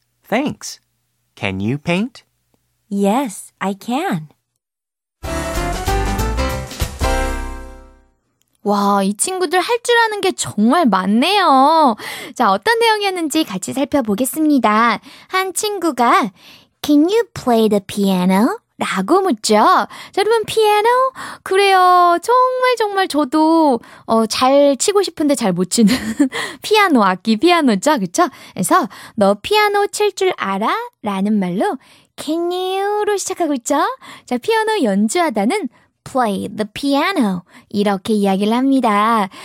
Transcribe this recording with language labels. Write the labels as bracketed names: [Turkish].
[English] Thanks. Can you paint? Yes, I can. [Korean] 와, 이 친구들 할 줄 아는 게 정말 많네요. 자, 어떤 내용이었는지 같이 살펴보겠습니다. 한 친구가 [English] Can you play the piano? [Korean] 라고 묻죠. 자, 여러분, 피아노? 그래요. 정말 정말 저도 잘 치고 싶은데 잘 못 치는 피아노, 악기 피아노죠. 그쵸? 그래서 너 피아노 칠 줄 알아? 라는 말로 Can you?로 시작하고 있죠. 자, 피아노 연주하다는 [English] play the piano [Korean] 이렇게 이야기를 합니다.